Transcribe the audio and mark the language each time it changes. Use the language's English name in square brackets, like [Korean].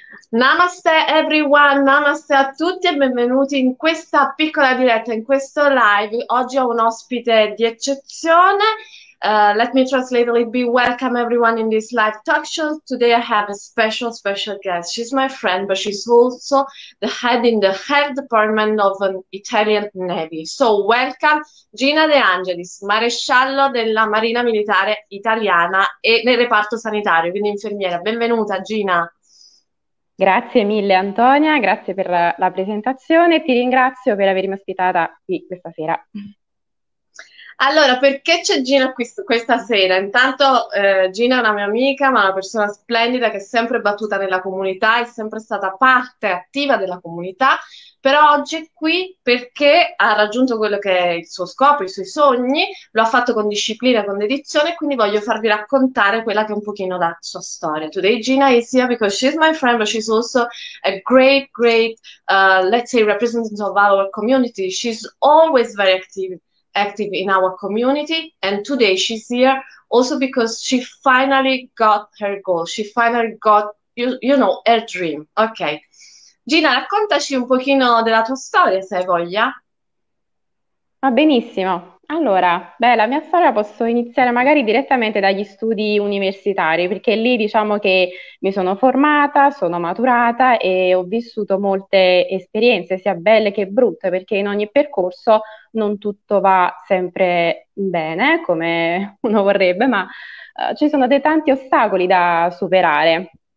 [Italian] Namaste [English] everyone, [Italian] namaste a tutti e benvenuti in questa piccola diretta, in questo live. Oggi ho un ospite di eccezione. [English] Let me translate it. Be welcome everyone in this live talk show. Today I have a special guest. She's my friend, but she's also the head in the health department of an Italian Navy. So welcome [Italian] Gina De Angelis, maresciallo della Marina Militare Italiana e nel reparto sanitario, quindi infermiera. Benvenuta Gina. Grazie mille Antonia, grazie per la presentazione e ti ringrazio per avermi ospitata qui questa sera. Allora, perché c'è Gina qui questa sera? Intanto, Gina è una mia amica, ma una persona splendida che è sempre battuta nella comunità, è sempre stata parte attiva della comunità, però oggi è qui perché ha raggiunto quello che è il suo scopo, i suoi sogni, lo ha fatto con disciplina, con dedizione, quindi voglio farvi raccontare quella che è un pochino la sua storia. [English] Today Gina is here because she's my friend, but she's also a great, let's say, representative of our community. She's always very active. Active in our community, and today she's here also because she finally got her goal. She finally got you know her dream. Okay. [Italian] Gina, raccontaci un pochino della tua storia, se hai voglia. Va benissimo. Allora, beh, la mia storia posso iniziare magari direttamente dagli studi universitari, perché lì diciamo che mi sono formata, sono maturata e ho vissuto molte esperienze, sia belle che brutte, perché in ogni percorso non tutto va sempre bene, come uno vorrebbe, ma ci sono dei tanti ostacoli da superare.